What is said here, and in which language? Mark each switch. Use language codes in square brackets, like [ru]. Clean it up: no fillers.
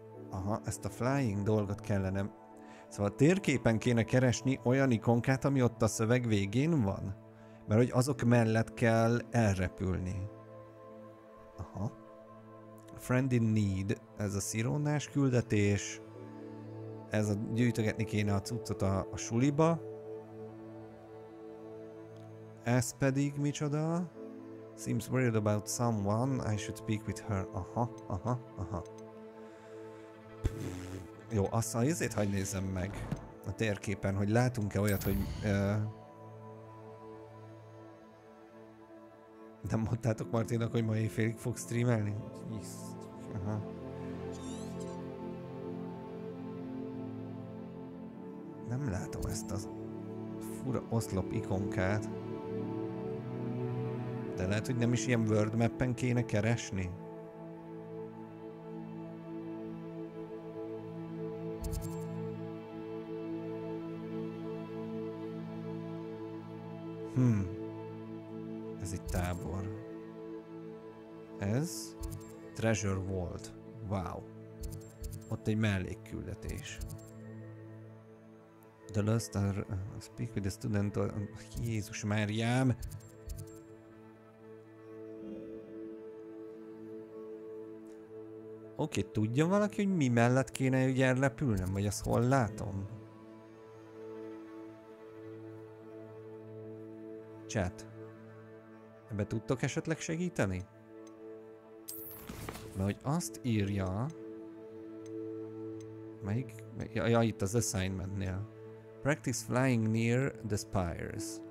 [hu] Aha, ezt a flying dolgot kellene... Szóval térképen kéne keresni olyan ikonkát, ami ott a szöveg végén van. Mert hogy azok mellett kell elrepülni. Aha. [en] Friend in need. [hu] Ez a szirónás küldetés. Ez a gyűjtögetni kéne a cuccot a suliba. Ez pedig micsoda? [en] Seems worried about someone. I should speak with her. Aha. [hu] Jó, azt a izét hagyd nézzem meg a térképen, hogy látunk-e olyat, hogy... Nem mondtátok Martinnak, hogy ma éjfélig fog streamelni? Aha. Nem látom ezt az fura oszlop ikonkát. De lehet, hogy nem is ilyen world mappen kéne keresni? Ez egy tábor. Ez? Treasure Vault. Wow. Ott egy mellékküldetés. [en] The last speak with the student... [hu] Jézus Máriám! Oké, tudja valaki, hogy mi mellett kéne ugye elrepülnem? Vagy azt hol látom? Chat. Ebbe tudtok esetleg segíteni? Mert hogy azt írja... Melyik? Ja, itt az assignmentnél. [en] Practice flying near the spires.